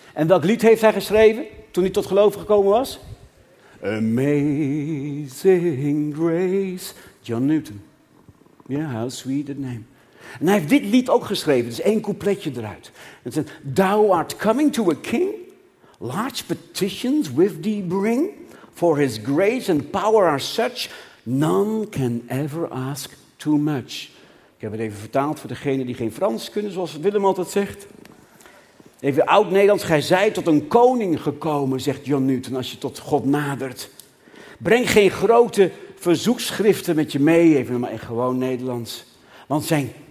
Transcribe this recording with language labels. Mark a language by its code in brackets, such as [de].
[nl] En welk lied heeft hij geschreven toen hij tot geloof gekomen was? Amazing Grace. John Newton. Ja, yeah, [en] how sweet the name. [nl] En hij heeft dit lied ook geschreven. Het is 1 coupletje eruit. Het zegt, [en] thou art coming to a king. Large petitions with thee bring. For his grace and power are such. None can ever ask too much. [nl] Ik heb het even vertaald voor degenen die geen Frans kunnen, zoals Willem altijd zegt. Even oud-Nederlands. Gij zijt tot een koning gekomen, zegt John Newton, als je tot God nadert. Breng geen grote verzoekschriften met je mee. Even maar in gewoon Nederlands. Want zijn